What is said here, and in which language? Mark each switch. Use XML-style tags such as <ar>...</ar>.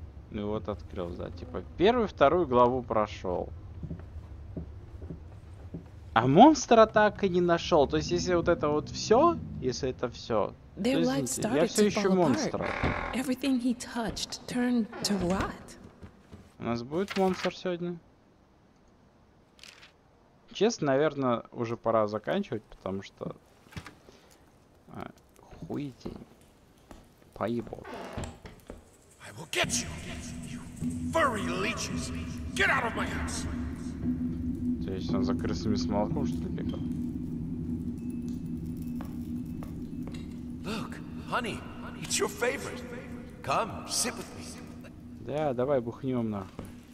<ru>Ну вот открыл, да, типа первую, вторую главу прошел. А монстра так и не нашел. То есть если вот это вот все, если это все.</ru> <en>Their light started to fall apart. Everything he touched turned to rot.</en> <ru>У нас будет монстр сегодня? Честно, наверное, уже пора заканчивать, потому что... хуетень. Поебал.</ru> <en>I will get you, you furry leeches! Get out of my house!</en> <ru>То есть он за крысами с молоком, что ли, бегал?</ru> <en>Look, honey. It's your favorite. Come, sit with me.</en> <ru>Да, давай бухнем нахуй.</ru>